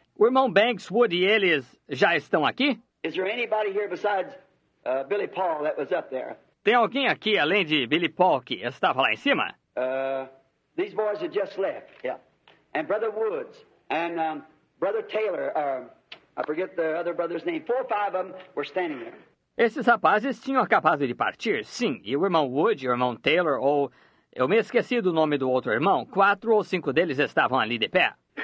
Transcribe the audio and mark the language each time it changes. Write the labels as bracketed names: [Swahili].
[Portuguese] O irmão Banks Wood e eles já estão aqui? [English] Is there anybody here besides Billy Paul that was up there? [Portuguese] Tem alguém aqui além de Billy Paul que estava lá em cima? [English] These boys have just left, yeah. And Brother Woods and Brother Taylor, I forget the other brother's name. Four or five of them were standing there. [Portuguese] Esses rapazes tinham acabado de partir, sim. E o irmão Wood, o irmão Taylor, ou... Eu me esqueci do nome do outro irmão. Quatro ou cinco deles estavam ali de pé.